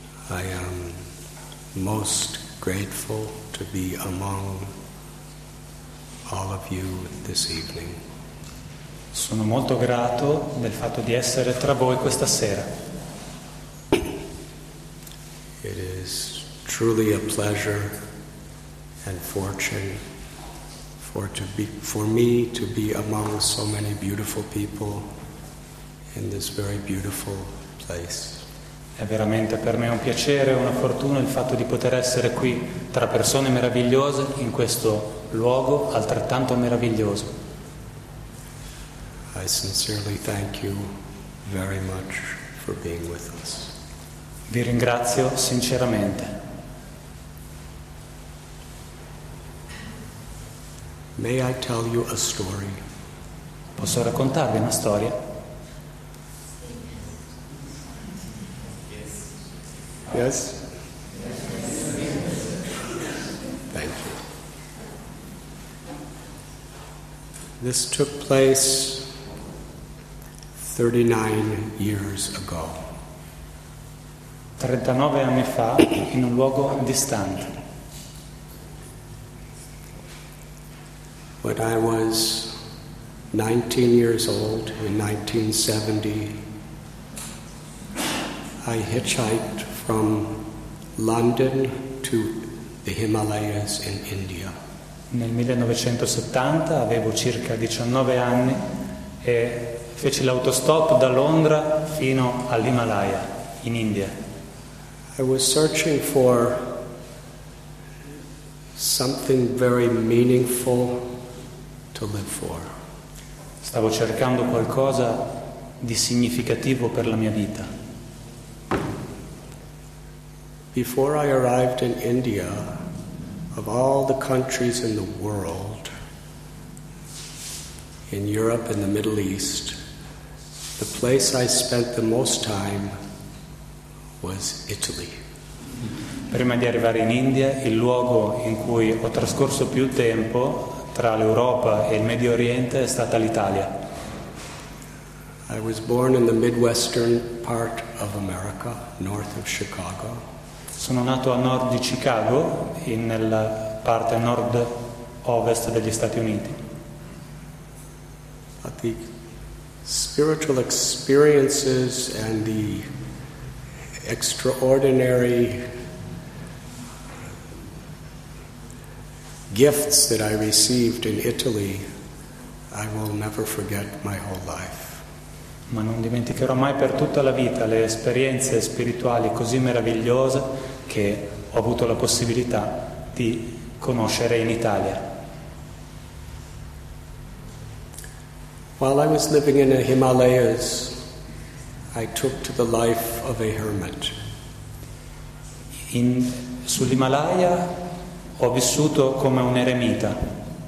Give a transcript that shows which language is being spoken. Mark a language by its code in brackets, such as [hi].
[en] I am most grateful to be among all of you this evening. [it] Sono molto grato del fatto di essere tra voi questa sera. [en] It is truly a pleasure and fortune for me to be among so many beautiful people in this very beautiful place. [it] È veramente per me un piacere e una fortuna il fatto di poter essere qui tra persone meravigliose in questo luogo altrettanto meraviglioso. [en] I sincerely thank you very much for being with us. [it] Vi ringrazio sinceramente. [en] May I tell you a story? [it] Posso raccontarvi una storia? [en] Yes. Thank you. This took place 39 years ago. [it] 39 anni fa, in un luogo distante. [en] When I was 19 years old in 1970, I hitchhiked from London to the Himalayas in India. [it] Nel 1970 avevo circa 19 anni e feci l'autostop da Londra fino all'Himalaya, in India. [en] I was searching for something very meaningful to live for. [it] Stavo cercando qualcosa di significativo per la mia vita. [en] Before I arrived in India, of all the countries in the world, in Europe and the Middle East, the place I spent the most time was Italy. [it] Prima di arrivare in India, il luogo in cui ho trascorso più tempo tra l'Europa e il Medio Oriente è stata l'Italia. [en] I was born in the Midwestern part of America, north of Chicago. [it] Sono nato a nord di Chicago, nella parte nord-ovest degli Stati Uniti. [en] Spiritual experiences and the extraordinary gifts that I received in Italy, I will never forget my whole life. [it] Ma non dimenticherò mai per tutta la vita le esperienze spirituali così meravigliose che ho avuto la possibilità di conoscere in Italia. [en] While I was living in the Himalayas, I took to the life of a hermit. [it] Sull'Himalaya ho vissuto come un eremita.